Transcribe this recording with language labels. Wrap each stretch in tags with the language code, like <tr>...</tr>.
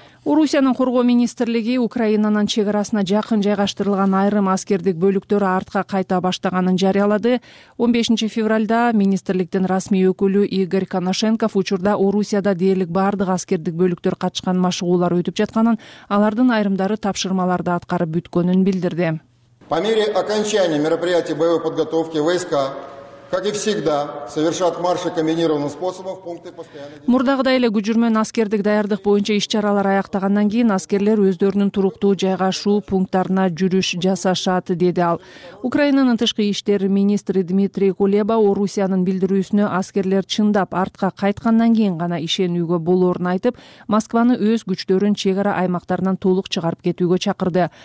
<ky>Орусиянын коргоо министрлиги Украинанын чек арасына жакын жайгаштырылган айрым аскердик бөлүктөрү артка кайта баштаганын жарыялады. 15-февралда министрликтин расмий өкүлү Игорь Коношенков учурда Орусияда дээрлик бардык аскердик бөлүктөр катышкан машыгуулар өтүп жатканын, алардын айрымдары тапшырмаларды аткарып бүткөнүн билдирди.</ky> <ru>По мере окончания мероприятий боевой подготовки войска как и всегда, совершат марши комбинированным способом в пункты постоянной...</ru> <ky>Мурдагыдай эле күжүрмөн аскердик даярдык боюнча иш-чаралар аяктагандан кийин аскерлер өздөрүнүн туруктуу жайгашуу пункттарына жүрүш жасашат, деди ал. Украинанын тышкы иштер министри Дмитрий Кулеба Орусиянын билдирүүсүнө аскерлер чындап артка кайткандан кийин гана ишенүүгө болорун айтып, Москваны өз күчтөрүн чек ара аймактарынан толук чыгарып кетүүгө чакырды.</ky>